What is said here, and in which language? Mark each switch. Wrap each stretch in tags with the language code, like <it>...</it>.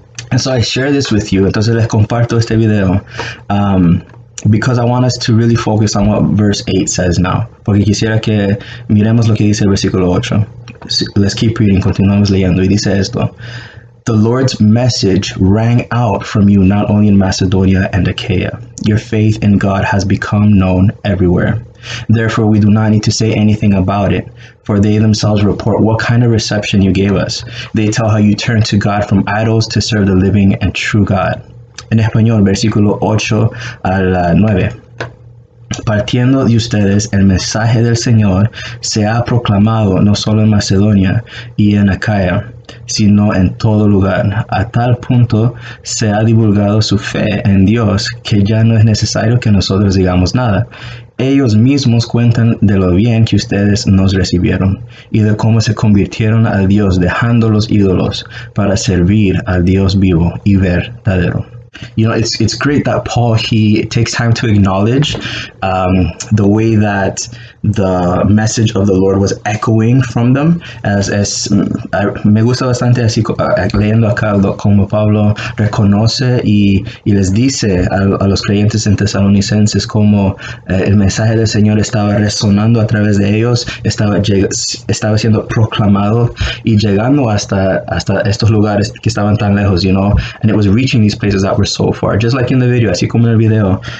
<en>And so I share this with you,</en> <es>entonces les comparto este video,</es> <en>because I want us to really focus on what verse 8 says now.</en> <es>Porque quisiera que miremos lo que dice el versículo 8.</es> <en>Let's keep reading,</en> <es>continuamos leyendo. Y dice esto.</es> <en>The Lord's message rang out from you not only in Macedonia and Achaia. Your faith in God has become known everywhere. Therefore, we do not need to say anything about it, for they themselves report what kind of reception you gave us. They tell how you turned to God from idols to serve the living and true God.</en> <es>En español, versículo 8 al 9. Partiendo de ustedes, el mensaje del Señor se ha proclamado no solo en Macedonia y en Acaya, sino en todo lugar. A tal punto se ha divulgado su fe en Dios que ya no es necesario que nosotros digamos nada. Ellos mismos cuentan de lo bien que ustedes nos recibieron y de cómo se convirtieron a Dios dejando los ídolos para servir al Dios vivo y verdadero.</es> <en>You know, it's great that Paul, he takes time to acknowledge the way that the message of the Lord was echoing from them.</en> <es>Me gusta bastante así, leyendo acá como Pablo reconoce y les dice a los creyentes en Tesalonicenses como el mensaje del Señor estaba resonando a través de ellos, estaba siendo proclamado y llegando hasta estos lugares que estaban tan lejos,</es> <en>you know, and it was reaching these places that were so far, just like in the video,</en> <es>así como en el video,</es>